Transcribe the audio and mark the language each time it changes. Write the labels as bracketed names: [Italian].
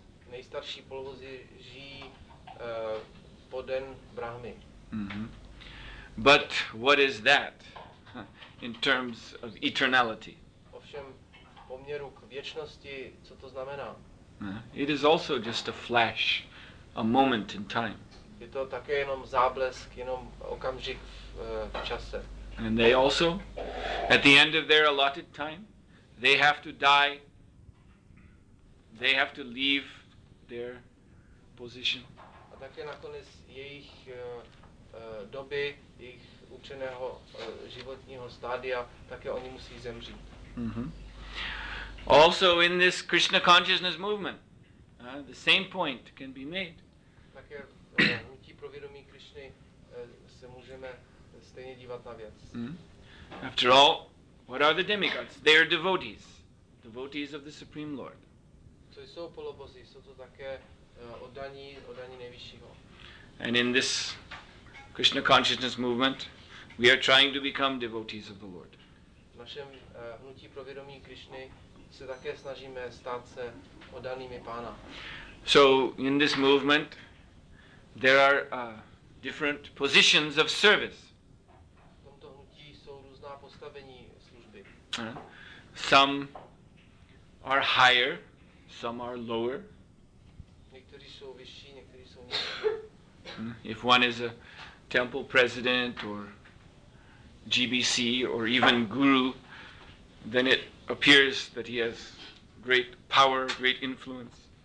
[Czech] Nejstarší polovozy žijí po den Brahmy. [English] But what is that in terms of eternality? [Czech] Ovšem, v poměru k věčnosti, co to znamená? [English] It is also just a flash, a moment in time. [Czech] Je to také jenom záblesk, jenom okamžik v čase. [English] And they also, at the end of their allotted time, they have to die, they have to leave their position. [Czech] A také nakonec jejich doby, jejich určeného životního stádia, také oni musí zemřít. [English] Also in this Krishna consciousness movement, the same point can be made. [Czech] Také hnutí pro vědomí Krišny se můžeme stejně dívat na věc. [English] After all, what are the demigods? They are devotees. Devotees of the Supreme Lord. [Czech] Co jsou polobozy? Jsou to také oddaní nejvyššího. [English] And in this Krishna consciousness movement, we are trying to become devotees of the Lord. [Czech] V našem hnutí pro vědomí Krišny se také snažíme stát se oddanými pána. [English] So in this movement, there are different positions of service. [Czech] V tomto hnutí jsou různá postavení služby. [English] Some are higher, some are lower. [Czech] Někteří jsou vyšší, někteří jsou nižší. [English] If one is a temple president or GBC or even guru, then it appears that he has great power, great influence.